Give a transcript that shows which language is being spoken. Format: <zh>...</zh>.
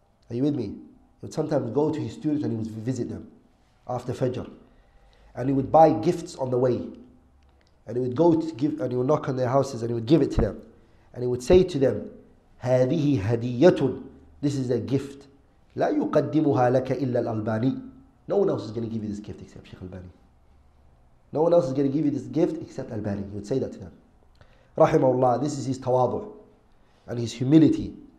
<en>Are you with me? He would sometimes go to his students and he would visit them after Fajr. And he would buy gifts on the way. And he would go to give, and he would knock on their houses and he would give it to them. And he would say to them,</en> <ar>هذه هدية.</ar> <en>This is a gift.</en> <ar>لا يقدمها لك إلا الألباني.</ar> <en>No one else is going to give you this gift except Sheikh Albani. No one else is going to give you this gift except Albani. He would say that to them. Rahimahullah, this is his tawadu' and his humility.</en>